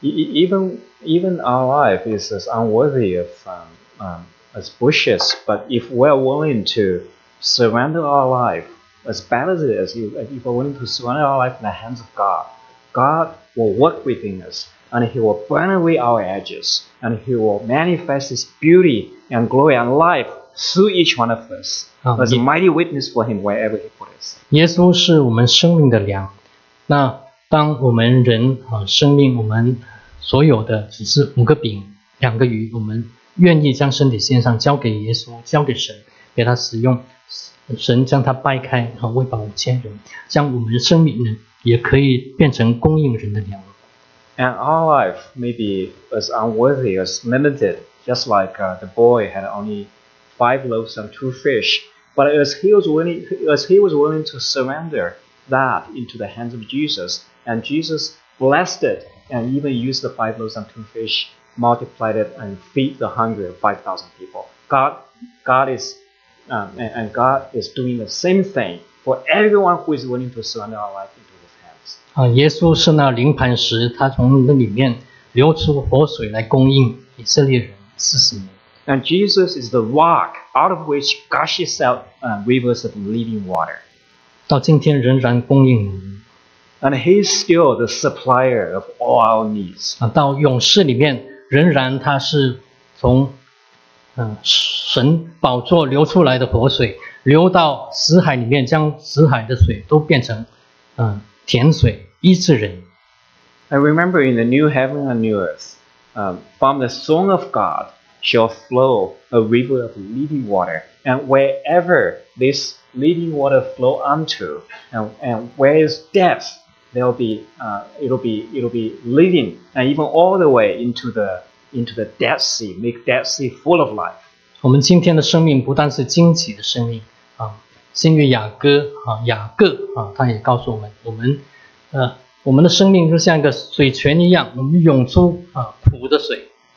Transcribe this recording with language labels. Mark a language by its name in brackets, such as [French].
[English] Even our life is as unworthy of as bushes, but if we are willing to surrender our life as bad as it is, if we are willing to surrender our life in the hands of God, God will work within us. And He will burn away our edges, and He will manifest His beauty and glory and life through each one of us as a mighty witness for Him wherever He put us. [Chinese] 耶稣是我们生命的粮。那当我们人生命，我们所有的只是五个饼、两个鱼，我们愿意将身体献上，交给耶稣，交给神，给他使用。神将他掰开，喂饱五千人，将我们的生命呢，也可以变成供应人的粮。 [English] And our life may be as unworthy, as limited, just like the boy had only 5 loaves and 2 fish. But as he was willing to surrender that into the hands of Jesus, and Jesus blessed it and even used the 5 loaves and 2 fish, multiplied it and feed the hungry of 5,000 people. God is doing the same thing for everyone who is willing to surrender our life. [Chinese] 耶稣是那灵磐石，他从那里面流出活水来供应以色列人40年。 [English] And Jesus is the rock out of which gushes out rivers of living water. [Chinese] 到今天仍然供应我们。 [English] And He is still the supplier of all our needs. [Chinese] 到永世里面仍然他是从神宝座流出来的活水，流到死海里面，将死海的水都变成甜水医治人。 [English] I remember in the new heaven and new earth, from the throne of God shall flow a river of living water, and wherever this living water flow unto, and where is death, it'll be living, and even all the way into the Dead Sea, make Dead Sea full of life. [Chinese] 我们今天的生命不但是荆棘的生命。新约雅各他也告诉我们，我们的生命就像一个水泉一样，我们涌出苦的水。